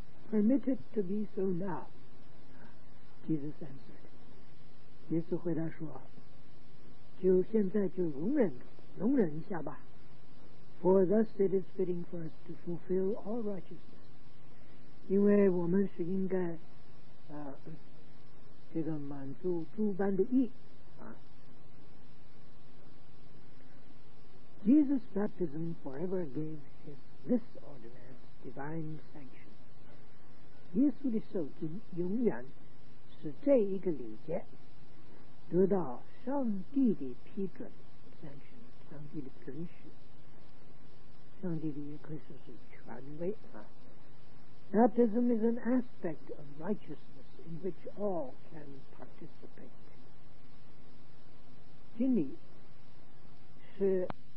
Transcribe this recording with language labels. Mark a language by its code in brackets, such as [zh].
[en] Permit it to be so now, Jesus answered. [zh] 耶稣回答说，就现在就容忍一下吧。 [en] For thus it is fitting for us to fulfill all righteousness. [zh] 因为我们是应该满足诸般的义。 [en] Jesus' baptism forever gave him this ordinance divine sanction. [zh] 耶稣的受洗永远是这一个礼节得到上帝的批准上帝的准许上帝的也可以说是权威啊。 [en] Baptism is an aspect of righteousness in which all can participate. [zh] 今天是